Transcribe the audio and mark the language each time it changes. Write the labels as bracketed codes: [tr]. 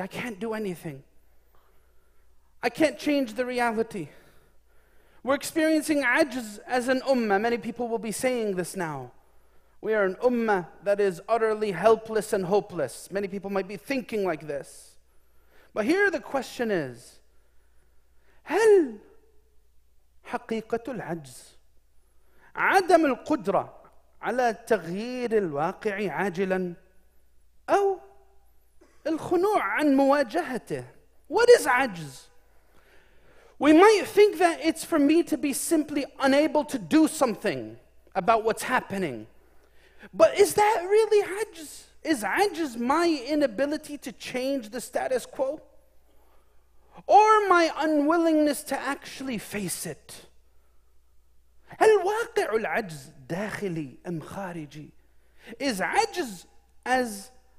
[en] I can't do anything. I can't change the reality. We're experiencing ajz as an ummah. Many people will be saying this now. We are an ummah that is utterly helpless and hopeless. Many people might be thinking like this. But here the question is, [ar] هل حقيقة العجز عدم القدرة على تغيير الواقع عاجلا أو الخنوع عن مواجهته. [en] What is عجز? We might think that it's for me to be simply unable to do something about what's happening. But is that really عجز? Is عجز my inability to change the status quo? Or my unwillingness to actually face it? [ar] هل واقع العجز داخلي أم خارجي? [en] Is عجز as